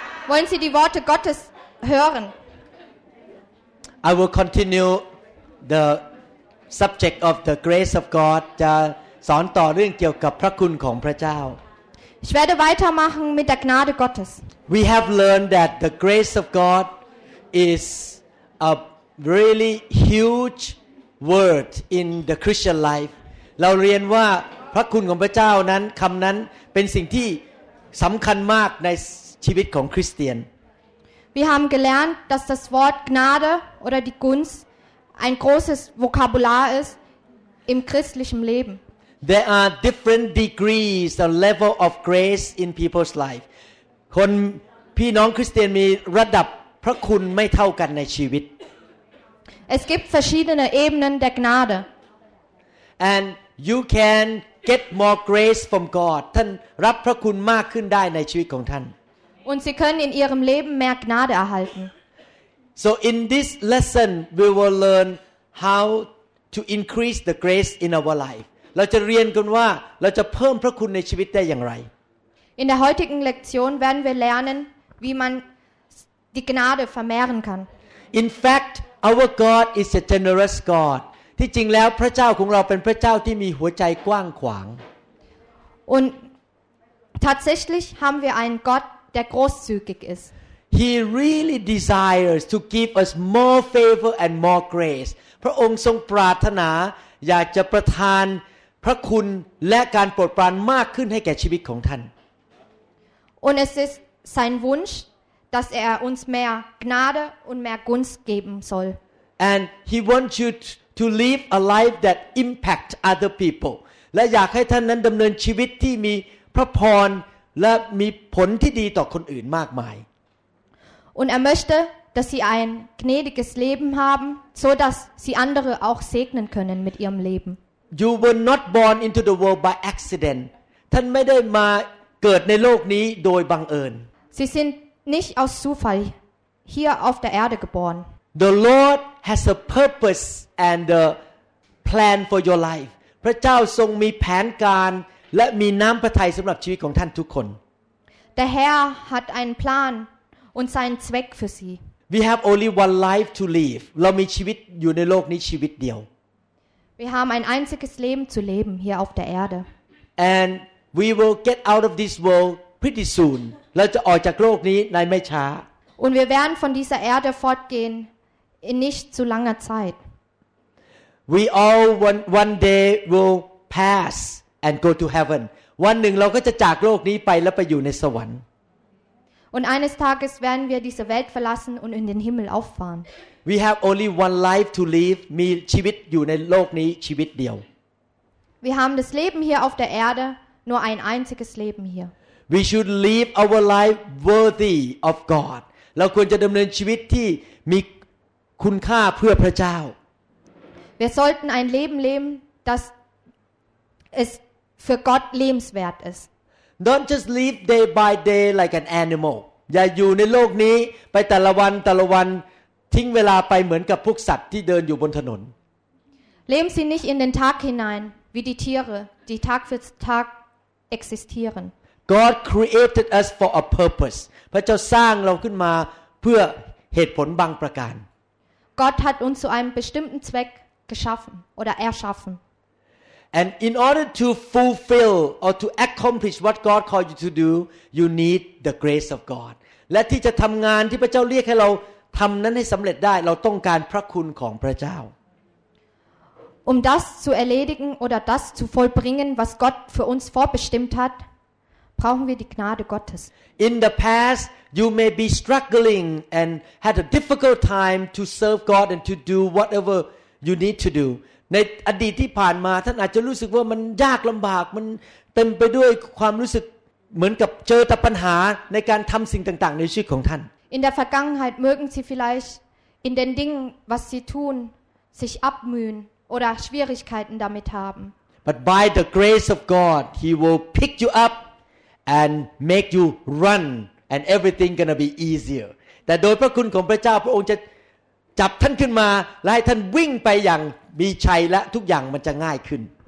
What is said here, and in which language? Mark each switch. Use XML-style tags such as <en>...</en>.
<de>Wollen Sie die Worte Gottes hören?</de> <en>I will continue the subject of the grace of God.</en> <th>จะสอนต่อเรื่องเกี่ยวกับพระคุณของพระเจ้า</th> <de>Ich werde weitermachen mit der Gnade Gottes.</de> <en>We have learned that the grace of God is a really huge word in the Christian life.</en> <th>เราเรียนว่าพระคุณของพระเจ้านั้นคำนั้นเป็นสิ่งที่สำคัญมากในชีวิตของคริสเตียน</th> <de>Wir haben gelernt, dass das Wort Gnade oder die Gunst ein großes Vokabular ist im christlichen Leben.</de> <en>There are different degrees or level of grace in people's life.</en> <th>คนพี่น้องคริสเตียนมีระดับพระคุณไม่เท่ากันในชีวิต</th> <de>Es gibt verschiedene Ebenen der Gnade.</de> <en>And you can get more grace from God.</en> <th>ท่านรับพระคุณมากขึ้นได้ในชีวิตของท่าน</th> <de>Und Sie können in Ihrem Leben mehr Gnade erhalten.</de> <en>So in this lesson we will learn how to increase the grace in our life.</en> <th>เราจะเรียนกันว่าเราจะเพิ่มพระคุณในชีวิตได้อย่างไร</th> <de>In der heutigen Lektion werden wir lernen, wie man die Gnade vermehren kann.</de> <en>In fact, our God is a generous God.</en> <th>ที่จริงแล้วพระเจ้าของเราเป็นพระเจ้าที่มีหัวใจกว้างขวาง</th> <de>Und tatsächlich haben wir einen Gott, der großzügig ist.</de> <en>He really desires to give us more favor and more grace.</en> <th>พระองค์ทรงปรารถนาอยากจะประทานพระคุณและการโปรดปรานมากขึ้นให้แก่ชีวิตของท่าน</th> <de>Und es ist sein Wunsch, dass uns mehr Gnade und mehr Gunst geben soll.</de> <en>And he wants you to live a life that impacts other people.</en> <th>และอยากให้ท่านนั้นดำเนินชีวิตที่มีพระพรและมีผลที่ดีต่อคนอื่นมากมาย</th> <de>Und möchte, dass Sie ein gnädiges Leben haben, so dass Sie andere auch segnen können mit Ihrem Leben.</de> <en>You were not born into the world by accident.</en> <th>ท่านไม่ได้มาเกิดในโลกนี้โดยบังเอิญ</th> <de>Sie sind nicht aus Zufall hier auf der Erde geboren.</de> <en>The Lord has a purpose and a plan for your life.</en> <th>พระเจ้าทรงมีแผนการและมีน้ำพระทัยสำหรับชีวิตของท่านทุกคน</th> <de>Der Herr hat einen Plan und seinen Zweck für Sie.</de> <en>We have only one life to live.</en> <th>เรามีชีวิตอยู่ในโลกนี้ชีวิตเดียว</th> <de>Wir haben ein einziges Leben zu leben hier auf der Erde.</de> <en>And we will get out of this world pretty soon.</en> <th>เราจะออกจากโลกนี้ในไม่ช้า</th> <de>Und wir werden von dieser Erde fortgehen in nicht zu langer Zeit.</de> <en>We all one day will pass. And go to heaven. One day, we will go from this world and go to heaven.</en> <de>Und eines Tages werden wir diese Welt verlassen und in den Himmel auffahren.</de> <en>We have only one life to live.</en> <th>มีชีวิตอยู่ในโลกนี้ชีวิตเดียว</th> <de>Wir haben das Leben hier auf der Erde nur ein einziges Leben hier.</de> <en>We should live our life worthy of God.</en> <th>เราควรจะดำเนินชีวิตที่มีคุณค่าเพื่อพระเจ้า</th> <de>Wir sollten ein Leben leben, dasIs für Gott lebenswert ist.</de> <en>Don't just live day by day like an animal.</en> <th>อย่าอยู่ในโลกนี้ไปแต่ละวันแต่ละวันทิ้งเวลาไปเหมือนกับพวกสัตว์ที่เดินอยู่บนถนน</th> <de>Leben Sie nicht in den Tag hinein wie die Tiere, die Tag für Tag existieren.</de> <en>God created us for a purpose.</en> <th>พระเจ้าสร้างเราขึ้นมาเพื่อเหตุผลบางประการ</th> <de>Gott hat uns zu einem bestimmten Zweck geschaffen oder erschaffen</de> <en>And in order to fulfill or to accomplish what God called you to do, you need the grace of God.</en> <th>และที่จะทำงานที่พระเจ้าเรียกให้เราทำนั้นให้สำเร็จได้เราต้องการพระคุณของพระเจ้า</th> <de>Um das zu erledigen oder das zu vollbringen, was Gott für uns vorbestimmt hat, brauchen wir die Gnade Gottes.</de> <en>In the past, you may be struggling and had a difficult time to serve God and to do whatever you need to do.</en> <th>ในอดีตที่ผ่านมาท่านอาจจะรู้สึกว่ามันยากลำบากมันเต็มไปด้วยความรู้สึกเหมือนกับเจอแต่ปัญหาในการทำสิ่งต่างๆในชีวิตของท่าน</th> <de>In der Vergangenheit mögen Sie vielleicht in den Dingen was Sie tun sich abmühen oder Schwierigkeiten damit haben</de> <en>But by the grace of God He will pick you up and make you run and everything gonna be easier</en> <th>แต่โดยพระคุณของพระเจ้าพระองค์จะจับท่านขึ้นมาและให้ท่านวิ่งไปอย่างมีชัยและทุกอย่างมันจะง่ายขึ้น</th>